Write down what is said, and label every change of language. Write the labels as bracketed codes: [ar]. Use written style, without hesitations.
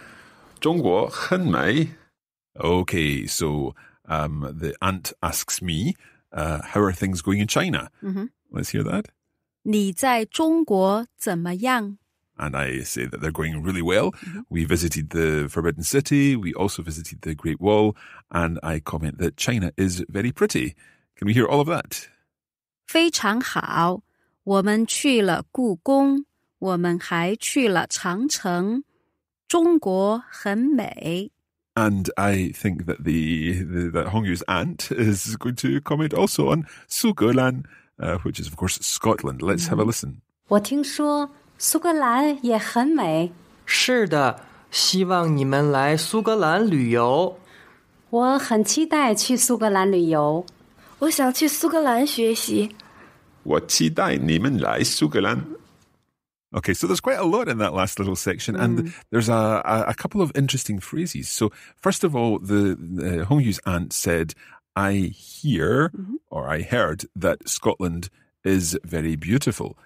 [zh] 非常好,我们去了故宫,我们还去了长城,中国很美。Okay, [en] so the aunt asks me, how are things going in China? Mm-hmm. Let's hear that. [zh] 你在中国怎么样? [en] And I say that they're going really well. Mm-hmm. We visited the Forbidden City. We also visited the Great Wall. And I comment that China is very pretty. Can we hear all of that? [zh] 非常好。我们去了故宫。我们还去了长城。中国很美。 [en] And I think that that Hongyu's aunt is going to comment also on 苏格兰, which is, of course, Scotland. Let's have a listen. [zh] 我听说... 苏格兰也很美。是的,希望你们来苏格兰旅游。我很期待去苏格兰旅游。我想去苏格兰学习。我期待你们来苏格兰。 [en] Okay, so there's quite a lot in that last little section, and there's a couple of interesting phrases. So first of all, the Hongyu's aunt said, I hear or I heard that Scotland is very beautiful.